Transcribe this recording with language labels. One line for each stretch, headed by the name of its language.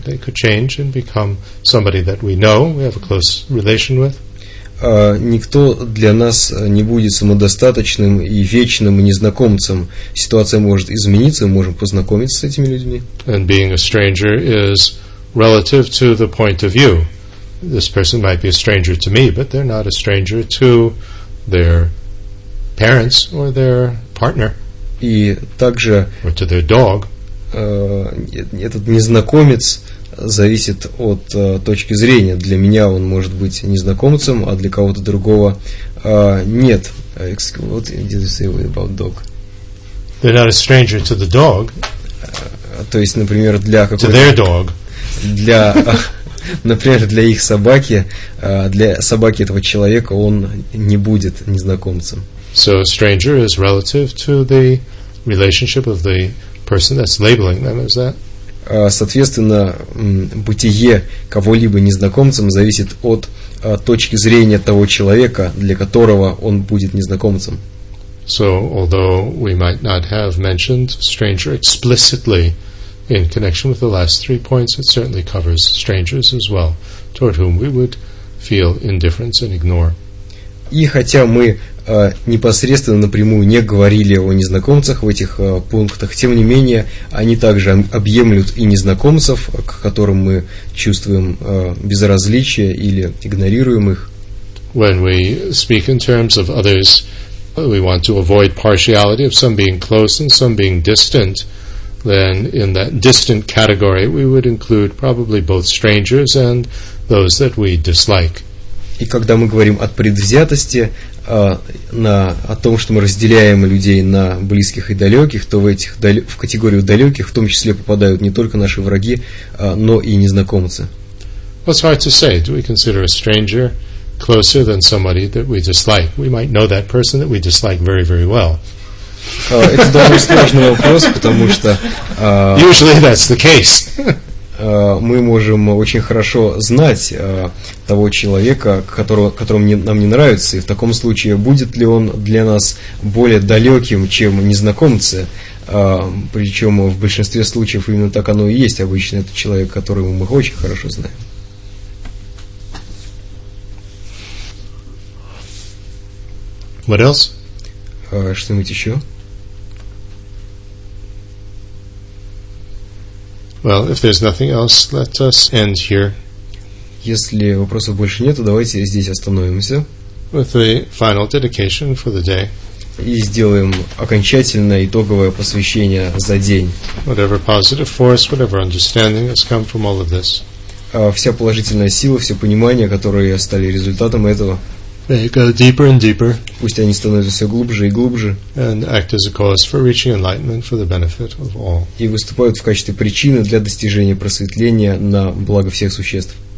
English: They could change and become somebody that we know, we have a close relation with.
Russian: Никто для нас не будет самодостаточным и вечным незнакомцем. Ситуация может измениться, мы можем познакомиться с этими людьми.
English: And being a stranger is relative to the point of view. This person might be a stranger to me, but they're not a stranger to their parents or their partner.
Russian: И также,
English: or to their dog.
Russian: Этот незнакомец зависит от точки зрения. Для меня он может быть незнакомцем, а для кого-то другого нет.
English: What did you say about dog? They're not a stranger to the dog.
Russian: То есть, например, для какого-то...
English: To their dog.
Russian: Для, например, для их собаки, для собаки этого человека он не будет незнакомцем.
English: So a stranger is relative to the relationship of the person that's labeling them, is that?
Russian: Соответственно, бытие кого-либо незнакомцем зависит от точки зрения того человека, для которого он будет незнакомцем.
English: So, although we might not have mentioned stranger explicitly in connection with the last three points, it certainly covers strangers as well, toward whom we would feel indifference and ignore.
Russian: И хотя мы непосредственно напрямую не говорили о незнакомцах в этих пунктах, тем не менее, они также объемлют и незнакомцев, к которым мы чувствуем безразличие или игнорируем их.
English: When we speak in terms of others, we want to avoid partiality of some being close and some being distant, then in that distant category we would include probably both strangers and those that we dislike.
Russian: И когда мы говорим о предвзятости, о том, что мы разделяем людей на близких и далеких, то в категорию далеких в том числе попадают не только наши враги, но и незнакомцы.
English: It's hard to say. Do we consider a stranger closer than somebody that we dislike? We might know that person that we dislike very, very well.
Russian: Это довольно сложный вопрос, потому что...
English: Usually that's the case.
Russian: Мы можем очень хорошо знать того человека, которому нам не нравится, и в таком случае будет ли он для нас более далеким, чем незнакомцы. Причем в большинстве случаев именно так оно и есть. Обычно это человек, которого мы очень хорошо знаем.
English: What else?
Russian: Что-нибудь еще?
English: Well, if there's nothing else, let us end here.
Russian: Если вопросов больше нет, то давайте здесь остановимся.
English: With the final dedication for the day.
Russian: И сделаем окончательное итоговое посвящение за день.
English: Whatever positive force, whatever understanding has come from all of this.
Russian: Вся положительная сила, все понимание, которые стали результатом этого.
English: May it go deeper and deeper.
Russian: Пусть они становятся все глубже и глубже.
English: And act as a cause for reaching enlightenment for the benefit of all.
Russian: И выступают в качестве причины для достижения просветления на благо всех существ.